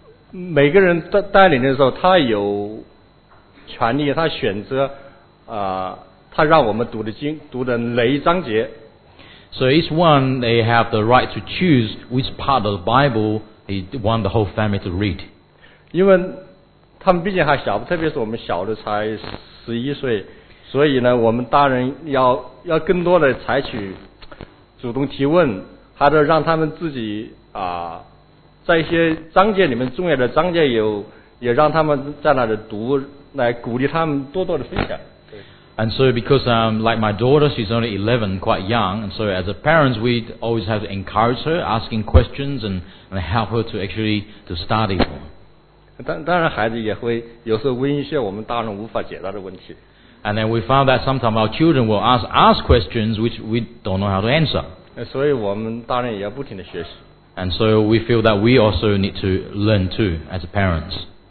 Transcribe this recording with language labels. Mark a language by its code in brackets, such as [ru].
[zh] 每个人带领的时候他有权利他选择他让我们读的经读的哪一章节。 [en] So each one, they have the right to choose which part of the Bible he want the whole family to read. [zh] 因为他们毕竟还小特别是我们小的才11岁所以呢我们大人要更多的采取主动提问还得让他们自己在一些章节里面重要的章节有也让他们在那里读来鼓励他们多多的分享。 [en] And so because like my daughter, she's only 11, quite young, and so as a parent, we always have to encourage her, asking questions and help her to actually to study. [zh] 当然孩子也会有时候问一些我们大人无法解答的问题。 [en] And then we found that sometimes our children will ask questions which we don't know how to answer. [zh] 所以我们大人也要不停的学习。 [en] And so we feel that we also need to learn too as parents.